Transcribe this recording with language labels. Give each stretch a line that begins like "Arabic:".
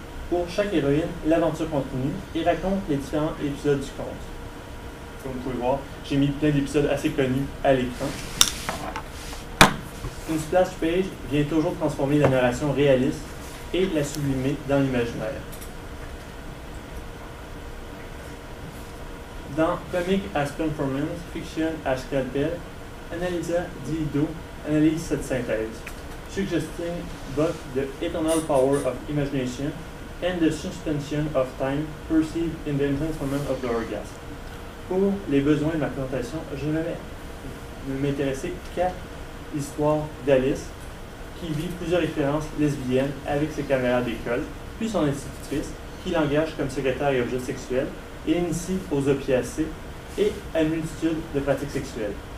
French: Pour chaque héroïne, l'aventure continue et raconte les différents épisodes du conte. Comme vous pouvez voir, j'ai mis plein d'épisodes assez connus à l'écran. Une splash page vient toujours transformer la narration réaliste et la sublimer dans l'imaginaire. Dans Comic as Performance, Fiction as Scalpel, Analisa Dido analyse cette synthèse,
English: suggesting both the eternal power of imagination and the suspension of time perceived in the intense moment of the orgasm.
French: Pour les besoins de ma présentation, je ne vais m'intéresser qu'à l'histoire d'Alice, qui vit plusieurs expériences lesbiennes avec ses camarades d'école, puis son institutrice, qui l'engage comme secrétaire et objet sexuel, et initie aux opiacés et à une multitude de pratiques sexuelles.